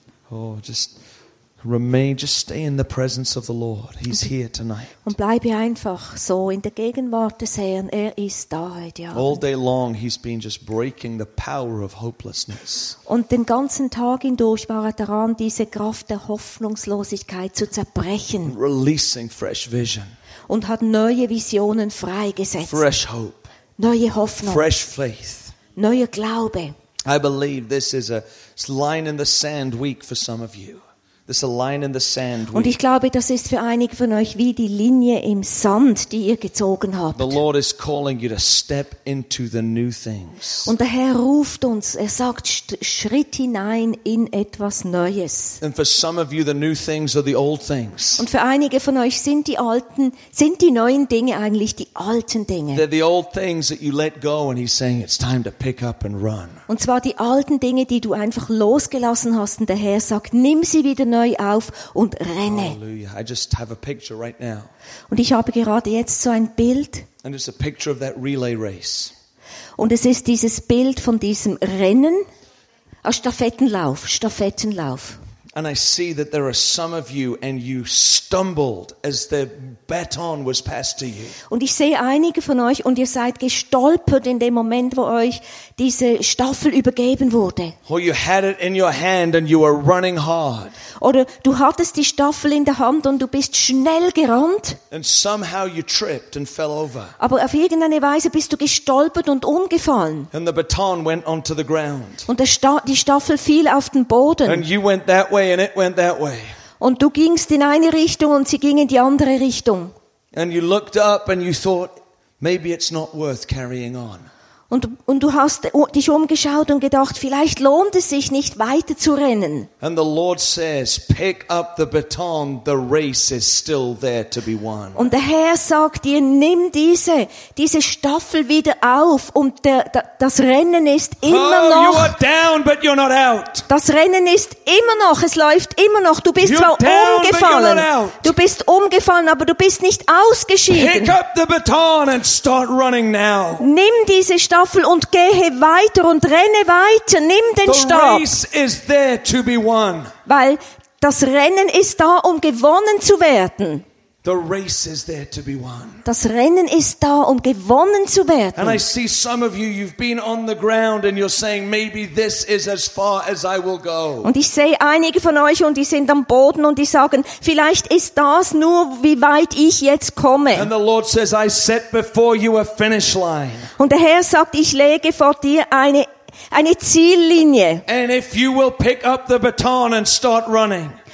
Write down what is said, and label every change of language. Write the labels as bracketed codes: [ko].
[en] Oh, just remain, just stay in the presence of the Lord. He's here tonight. [de] Und bleibe einfach so in der Gegenwart des Herrn. Er ist da heute Abend. [en] All day long, he's been just breaking the power of hopelessness. [de] Und den ganzen Tag hindurch war er daran, diese Kraft der Hoffnungslosigkeit zu zerbrechen. [en] Releasing fresh vision. [de] Und hat neue Visionen freigesetzt. [en] Fresh hope. [de] Neue Hoffnung. [en] Fresh faith. [de] Neuer Glaube. [en] I believe this is a line in the sand week for some of you. This line in the sand. [de] Und ich glaube, das ist für einige von euch wie die Linie im Sand, die ihr gezogen habt. [en] The Lord is calling you to step into the new things. [de] Und der Herr ruft uns, er sagt, Schritt hinein in etwas Neues. [en] And for some of you, the new things are the old things. [de] Und für einige von euch sind die neuen Dinge eigentlich die alten Dinge. [en] They're the old things that you let go, and he's saying it's time to pick up and run. [de] Und zwar die alten Dinge, die du einfach losgelassen hast, und der Herr sagt, nimm sie wieder neu auf und renne. [en] Hallelujah. I just have a picture right now. [de] Und ich habe gerade jetzt so ein Bild. [en] And it's a picture of that relay race. [de] Und es ist dieses Bild von diesem Rennen, Stafettenlauf. [en] And I see that there are some of you and you stumbled as the baton was passed to you. [de] Und ich sehe einige von euch und ihr seid gestolpert in dem Moment, wo euch diese Staffel übergeben wurde. [en] Or you had it in your hand and you were running hard. [de] Oder du hattest die Staffel in der Hand und du bist schnell gerannt. [en] And somehow you tripped and fell over. [de] Aber auf irgendeine Weise bist du gestolpert und umgefallen. [en] And the baton went onto the ground. [de] Und die Staffel fiel auf den Boden. [en] And you went that way and it went that way. [de] Und du gingst in eine Richtung und sie ging in die andere Richtung. [en] And you looked up and you thought, maybe it's not worth carrying on. [de] Und du hast dich umgeschaut und gedacht, vielleicht lohnt es sich nicht weiter zu rennen. [en] And the Lord says, pick up the baton, the race is still there to be won. [de] Und der Herr sagt dir, nimm diese Staffel wieder auf und das Rennen ist immer noch. [en] Oh, you are down, but you're not out. [de] Das Rennen ist immer noch, es läuft immer noch. Du bist [en] you're [de] zwar [en] down, [de] umgefallen. [en] But you're not out. [de] Du bist umgefallen, aber du bist nicht ausgeschieden. [en] Pick up the baton and start running now. [de] Nimm diese Staffel und gehe weiter und renne weiter. Nimm den Stab. [en] The race is there to be won. [de] Weil das Rennen ist da, um gewonnen zu werden. [en] The race is there to be won. [de] Das Rennen ist da, um gewonnen zu werden. [en] And I see some of you, you've been on the ground and you're saying, maybe this is as far as I will go. [de] Und ich sehe einige von euch und die sind am Boden und die sagen, vielleicht ist das nur, wie weit ich jetzt komme. [en] And the Lord says, I set before you a finish line. [de] Und der Herr sagt, ich lege vor dir eine Ziellinie. [en] And if you will pick up the baton and start running.